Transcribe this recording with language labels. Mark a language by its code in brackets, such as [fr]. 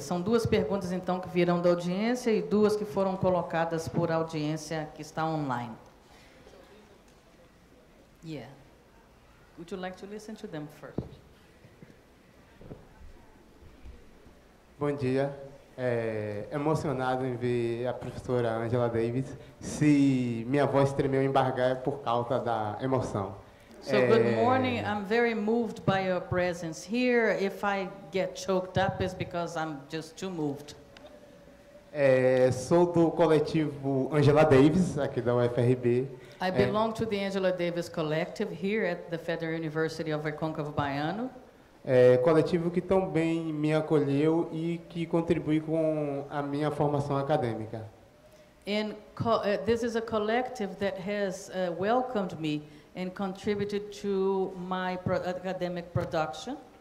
[pt] São duas perguntas, então, que virão da audiência e duas que foram colocadas por audiência que está online. [en] Yeah. Would you like to listen to them first? [pt] Bom dia. Emocionado em ver a professora Angela Davis. Se minha voz tremeu embargar é por causa da emoção. [en] So good morning. I'm very moved by your presence here. If I get choked up, it's because I'm just too moved. [pt] Sou do coletivo Angela Davis aqui da UFRB. [en] I belong to the Angela Davis Collective here at the Federal University of Recôncavo Baiano. [pt] Coletivo que também me acolheu e que contribui com a minha formação acadêmica. [en] And this is a collective that has welcomed me and contributed to my academic production.